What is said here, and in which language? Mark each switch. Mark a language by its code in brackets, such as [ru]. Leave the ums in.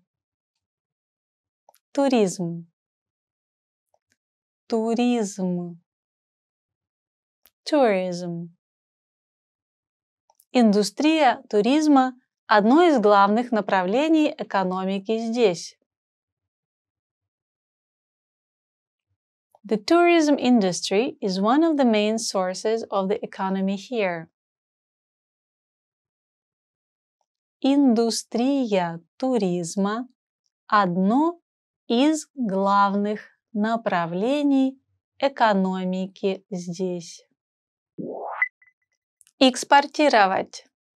[ru] Tourism туризм, туризм, туризм. Индустрия туризма – одно из главных направлений экономики здесь. [en] The tourism industry is one of the main sources of the economy here. [ru] Индустрия туризма – одно из главных направлений экономики здесь. Экспортировать.